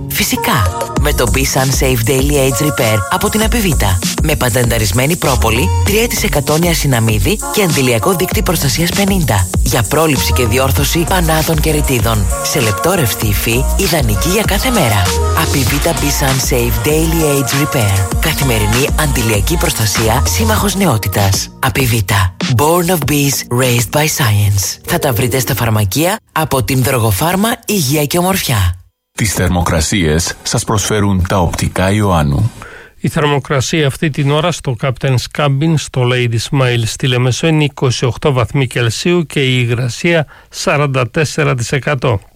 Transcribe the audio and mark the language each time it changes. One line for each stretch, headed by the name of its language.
Greek: Φυσικά, με το Be Sun Safe Daily Age Repair από την ΑΠΙΒΙΤΑ. Με πατενταρισμένη πρόπολη, 3% νιασυναμίδη και ενδυλιακό δείκτη προστασίας 50. Για πρόληψη και διόρθωση πανάδων και ρητίδων. Σε λεπτόρευτη υφή, ιδανική για κάθε μέρα. ΑΠΙΒΙΤΑ Be Sun Safe Daily Age Repair. Καθημερινή αντιλιακή προστασία, σύμμαχος νεότητας. ΑΠΙΒΙΤΑ.
English: Born of Bees, Raised by Science.
Greek: Θα τα βρείτε στα φαρμακεία από την Δρογοφάρμα Υγεία και Ομορφιά. Τις θερμοκρασίες σας προσφέρουν τα οπτικά Ιωάννου. Η θερμοκρασία αυτή την ώρα στο Captain's Cabin στο Lady Smile στη Λεμεσό είναι 28 βαθμοί Κελσίου και η υγρασία 44%.